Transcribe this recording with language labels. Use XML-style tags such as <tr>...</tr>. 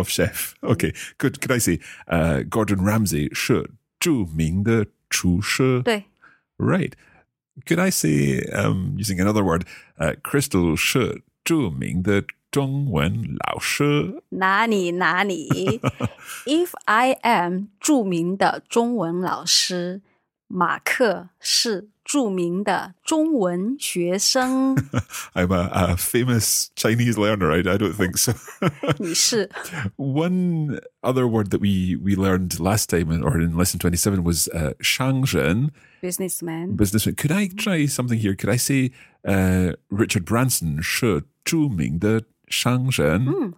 <en>of chef. Okay, good. Could I say Gordon Ramsay</en> <zh>是著名的厨师? 对.</zh> <en>Right. Could I say, using another word, Crystal</en> <zh>是著名的中文老师? 哪里哪里?</zh> <en>If I am</en> <zh>著名的中文老师, 马克是著名的中文学生.</zh> <en>I'm a famous Chinese learner. I don't think so.</en> <zh>你是.</zh> <en>One other word that we learned last time or in lesson 27 was Shangzhen. Businessman. Could I try something here? Could I say Richard Branson</en> <zh>是著名的商人?</zh>